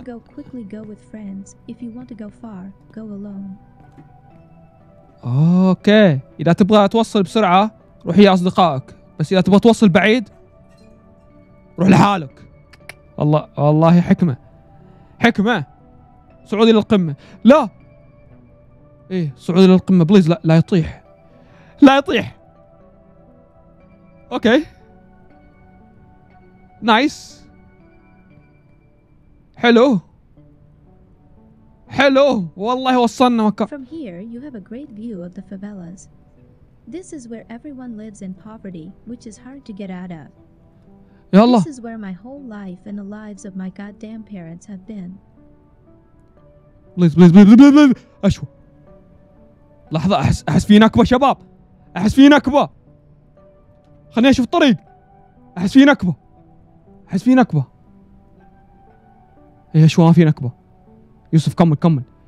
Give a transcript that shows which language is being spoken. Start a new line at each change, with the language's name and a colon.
English: go quickly go with friends if you want to go far go alone.
Arabic: اوكي اذا تبغى توصل بسرعه روح يا اصدقائك، بس اذا تبغى توصل بعيد روح لحالك. الله والله حكمه حكمه. صعودي للقمه. لا ايه صعودي للقمه بليز. لا يطيح لا يطيح. اوكي نايس حلو حلو والله وصلنا مكان.
English: From here you have a great view of the favelas. This is where everyone lives in poverty which is hard to get out of.
Arabic: يلا.
English: This is where my whole life and the lives of my goddamn parents have been.
Arabic: بليز بليز بليز بليز بليز. اشوف لحظة احس في نكبة شباب، احس في نكبة. خليني اشوف الطريق. احس في نكبة احس في نكبة. ايه شو ما في نكبة. يوسف كمل كمل.